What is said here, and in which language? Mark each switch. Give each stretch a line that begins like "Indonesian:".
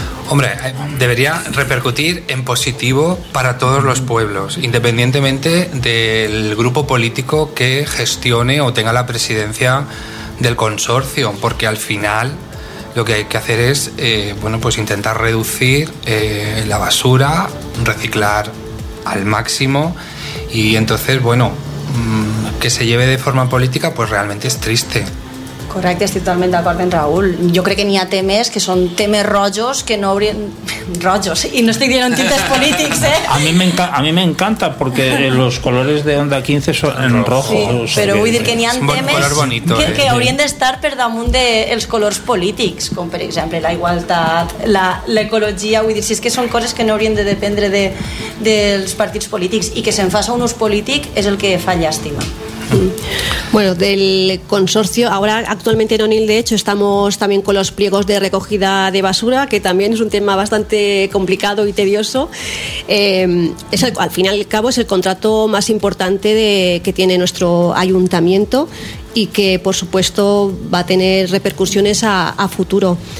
Spanish: Hombre, debería repercutir en positivo para todos los pueblos, independientemente del grupo político que gestione o tenga la presidencia del consorcio, porque al final lo que hay que hacer es intentar reducir la basura, reciclar al máximo, y entonces, bueno, que se lleve de forma política, pues realmente es triste.
Catalan: Correcte, estic totalment d'acord amb Raül. Jo crec que n'hi ha temes que són temes rojos que no haurien... Rojos, i no estic dient en tintes polítics, eh? A mi m'encanta, perquè els colors de Onda 15 són
Spanish: en rojo.
Catalan: Sí, però vull dir que n'hi ha temes que haurien d'estar per damunt dels colors polítics, com per exemple la igualtat, l'ecologia, vull dir, si és que són coses que no haurien de dependre dels partits polítics, i que se'n faça un ús polític és el que fa llàstima.
Spanish: Bueno, del consorcio, ahora actualmente en O'Neill, de hecho, estamos también con los pliegos de recogida de basura, que también es un tema bastante complicado y tedioso. Al fin y al cabo es el contrato más importante que tiene nuestro ayuntamiento y que, por supuesto, va a tener repercusiones a futuro.